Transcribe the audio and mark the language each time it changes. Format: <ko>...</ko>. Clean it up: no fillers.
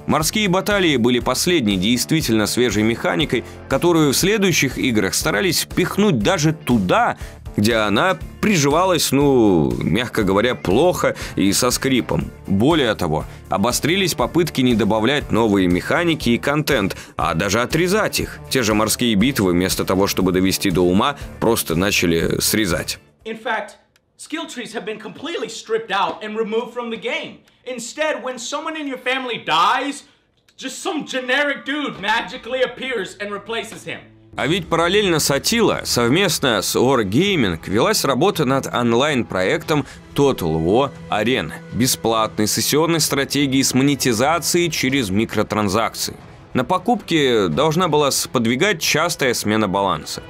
<ru>Морские баталии были последней действительно свежей механикой, которую в следующих играх старались впихнуть даже туда, где она приживалась, мягко говоря, плохо и со скрипом. Более того, обострились попытки не добавлять новые механики и контент, а даже отрезать их. Те же морские битвы, вместо того, чтобы довести до ума, просто начали срезать.</ru> <en>In fact, skill trees have been completely stripped out and removed from the game. Instead, when someone in your family dies, just some generic dude magically appears and replaces him.</en> <ru>А ведь параллельно с Attila, совместно с OR Gaming, велась работа над онлайн-проектом Total War Arena, бесплатной сессионной стратегии с монетизацией через микротранзакции. На покупке должна была сподвигать частая смена баланса.</ru>